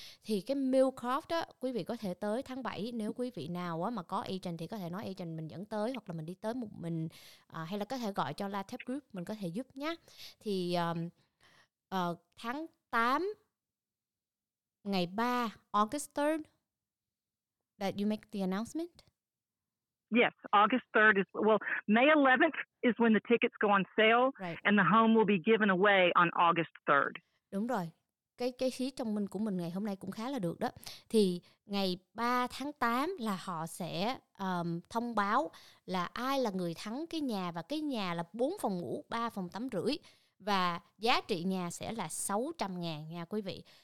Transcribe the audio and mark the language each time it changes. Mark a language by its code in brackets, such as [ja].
[vi] Thì cái Millcroft á, quý vị có thể tới tháng 7. Nếu quý vị nào á, mà có agent thì có thể nói agent mình dẫn tới, hoặc là mình đi tới một mình, hay là có thể gọi cho LaTeP Group, mình có thể giúp nhé. [en] Thì tháng 8, ngày 3, August 3rd, that you make the announcement? Yes, August 3rd is, well, May 11th is when the tickets go on sale, right. And the home will be given away on August 3rd. [vi] Đúng rồi. Cái phí trong mình của mình ngày hôm nay cũng khá là được đó. Thì ngày 3 tháng 8 là họ sẽ thông báo là ai là người thắng cái nhà, và cái nhà là 4 phòng ngủ, 3 phòng tắm rưỡi, và giá trị nhà sẽ là 600 ngàn nha quý vị.